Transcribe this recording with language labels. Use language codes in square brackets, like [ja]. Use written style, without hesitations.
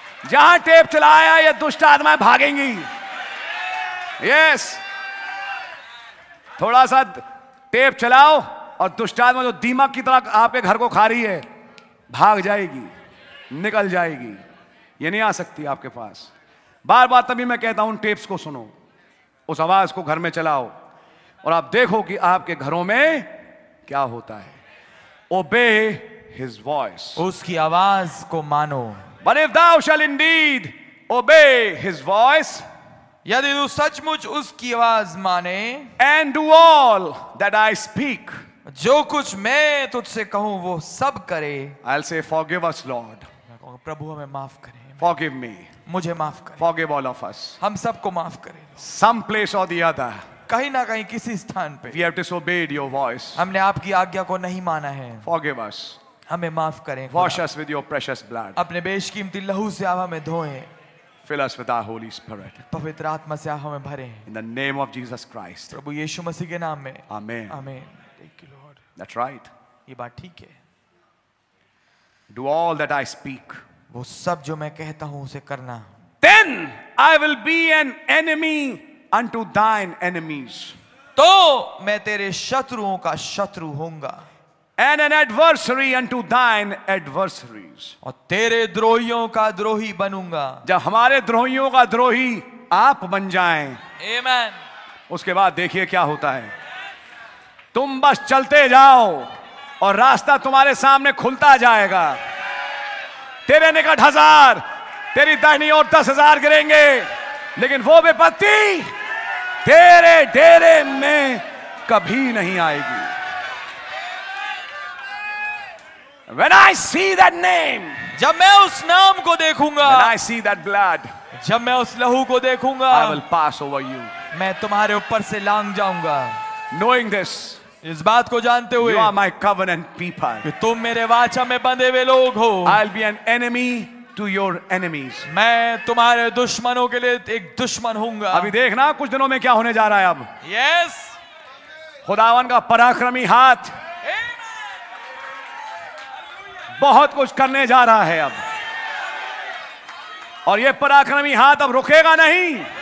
[hi] जहां टेप चलाया ये दुष्ट आत्माएं भागेंगी. यस, थोड़ा सा टेप चलाओ और दुष्ट आत्मा जो दीमक की तरह आपके घर को खा रही है भाग जाएगी, निकल जाएगी, ये नहीं आ सकती आपके पास. बार बार तभी मैं कहता हूं टेप्स को सुनो, उस आवाज को घर में चलाओ, और आप देखो कि आपके घरों में क्या होता है. [en] obey his voice, [hi] उसकी आवाज को मानो. [en] But if thou shall indeed obey his voice, [hi] यदि तू सचमुच उसकी आवाज माने, [en] and do all that I speak, [hi] जो कुछ मैं तुझसे कहूं वो सब करे, [en] I'll say forgive us Lord, [hi] प्रभु हमें माफ करे, [en] forgive me, [hi] मुझे माफ करे, [en] forgive all of us, [hi] हम सबको माफ करे, [en] some place or the other, [hi] कहीं ना कहीं किसी स्थान पे, [en] we have disobeyed your voice, [hi] हमने आपकी आज्ञा को नहीं माना है, [en] forgive us. [hi] हमें माफ करें. [en] Wash us with your precious blood. [hi] अपने बेशकीमती लहू से आप हमें धोएं. [en] Fill us with our Holy Spirit. [hi] पवित्र आत्मा से आप हमें भरें. [en] In the name of Jesus Christ. [hi] प्रभु यीशु मसीह के नाम में. [en] Amen. Amen. Thank you, Lord. That's right. [hi] ये बात ठीक है. [en] Do all that I speak. [hi] वो सब जो मैं कहता हूँ उसे करना. [en] then I will be an enemy unto thine enemies. [hi] तो मैं तेरे शत्रुओं का शत्रु होऊंगा. And an adversary unto thine adversaries. और तेरे द्रोहियों का द्रोही बनूंगा. जब हमारे द्रोहियों का द्रोही आप बन जाएं. [en] Amen. [hi] उसके बाद देखिए क्या होता है. तुम बस चलते जाओ और रास्ता तुम्हारे सामने खुलता जाएगा. तेरे निकट 1,000, तेरी दाहिनी ओर 10,000 गिरेंगे, लेकिन वो विपत्ति तेरे डेरे में कभी नहीं आएगी. [en] When I see that name, [hi] जब मैं उस नाम को देखूंगा, [en] when I see that blood, [hi] जब मैं उस लहू को देखूंगा, [en] I will pass over you, [hi] मैं तुम्हारे ऊपर से लांग जाऊंगा. [en] Knowing this, [hi] इस बात को जानते हुए, [en] you are my covenant people, [hi] कि तुम मेरे वाचा में बंधे हुए लोग हो, [en] I'll be an enemy to your enemies, [hi] मैं तुम्हारे दुश्मनों के लिए एक दुश्मन हूंगा. अभी देखना कुछ दिनों में क्या होने जा रहा है अब. [en] Yes, [hi] खुदावन का पराक्रमी हाथ बहुत कुछ करने जा रहा है अब, और यह पराक्रमी हाथ अब रुकेगा नहीं.